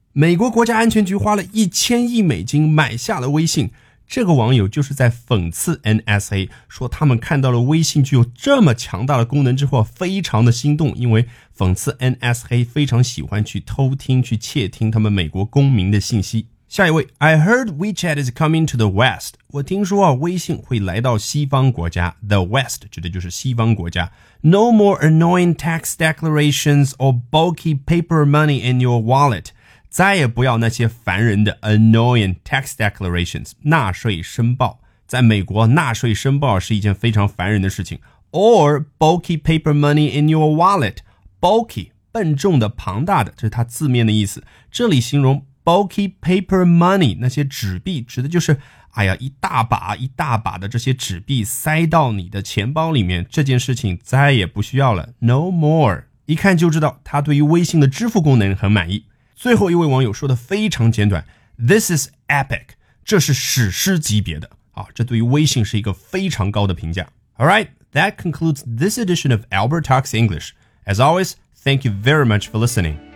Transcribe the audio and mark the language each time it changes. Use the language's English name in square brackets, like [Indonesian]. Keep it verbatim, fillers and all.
[Chinese] 美国国家安全局花了一千亿美金买下了微信。这个网友就是在讽刺 N S A， 说他们看到了微信具有这么强大的功能之后非常的心动，因为讽刺 N S A 非常喜欢去偷听去窃听他们美国公民的信息。下一位 [English] I heard WeChat is coming to the West. [Chinese] 我听说啊，微信会来到西方国家。The West 指的就是西方国家。 [English] No more annoying tax declarations or bulky paper money in your wallet. [Chinese] 再也不要那些烦人的 [English] annoying tax declarations [Chinese] 纳税申报。在美国，纳税申报是一件非常烦人的事情。 [English] Or bulky paper money in your wallet. Bulky [Chinese] 笨重的庞大的，这是它字面的意思。这里形容 [English] bulky paper money [Chinese] 那些纸币，指的就是哎呀一大把一大把的这些纸币塞到你的钱包里面，这件事情再也不需要了。 [English] No more [Chinese] 一看就知道他对于微信的支付功能很满意。最后一位网友说的非常简短 [English] This is epic， [Chinese] 这是史诗级别的啊！这对于微信是一个非常高的评价。 [English] Alright, that concludes this edition of Albert Talks English. As always, thank you very much for listening.